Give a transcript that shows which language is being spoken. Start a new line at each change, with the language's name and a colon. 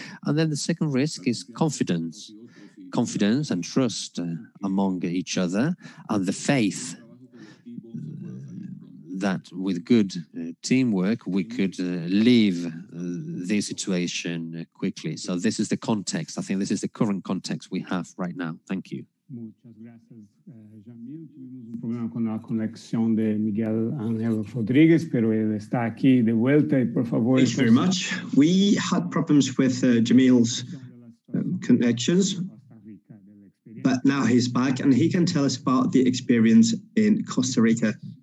English: And then the second risk is confidence. Confidence and trust among each other, and the faith that with good teamwork, we could leave this situation quickly. So this is the context. I think this is the current context we have right now. Thank you.
Spanish: Muchas gracias, Jamil. Tuvimos un problema con la conexión de Miguel Ángel Rodríguez, pero él está aquí de vuelta, y por favor.
English: Thanks very much. We had problems with Jamil's connections, but now he's back and he can tell us about the experience in Costa Rica.